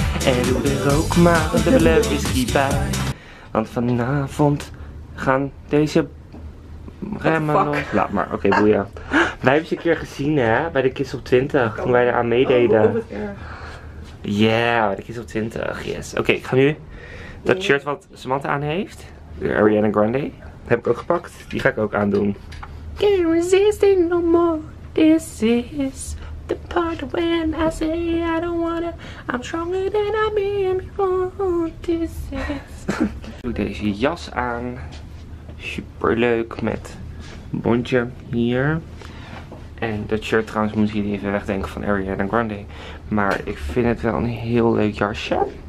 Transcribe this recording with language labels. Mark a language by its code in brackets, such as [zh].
[nl] En doe er ook maar een dubbele whisky bij. Want vanavond gaan deze remmen nog. Laat maar, oké, boeien. Wij hebben ze een keer gezien, hè, bij de Kids op 20, toen wij eraan meededen. Ja, bij de Kids op 20, yes. Oké, ik ga nu dat shirt wat Samantha aan heeft, de Ariana Grande, heb ik ook gepakt. Die ga ik ook aandoen. [en] Can't resist it no more. This is the part when I say I don't wanna. I'm stronger than I've been before. This is. [nl] Doe deze jas aan. Superleuk met bondje hier. En dat shirt trouwens moet jullie even wegdenken van Ariana Grande. Maar ik vind het wel een heel leuk jasje.